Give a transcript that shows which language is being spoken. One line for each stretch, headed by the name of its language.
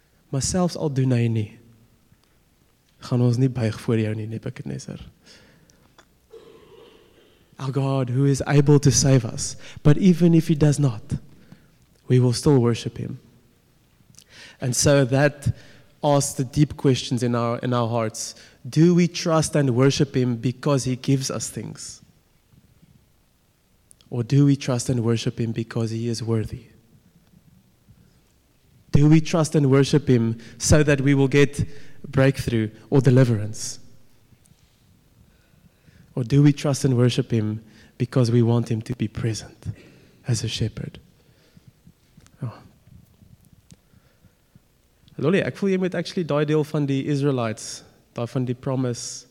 Afrikaans: Maar selfs al doen hy nie, gaan ons nie buig voor jou nie, Nebukadnezar.
English: Our God, who is able to save us, but even if he does not, we will still worship him. And so that asks the deep questions in our hearts. Do we trust and worship him because he gives us things? Or do we trust and worship him because he is worthy? Do we trust and worship him so that we will get breakthrough or deliverance? Or do we trust and worship him because we want him to be present as a shepherd? Oh.
Afrikaans: Lolly, ek voel jy moet actually die deel van die Israelites, die van die promise.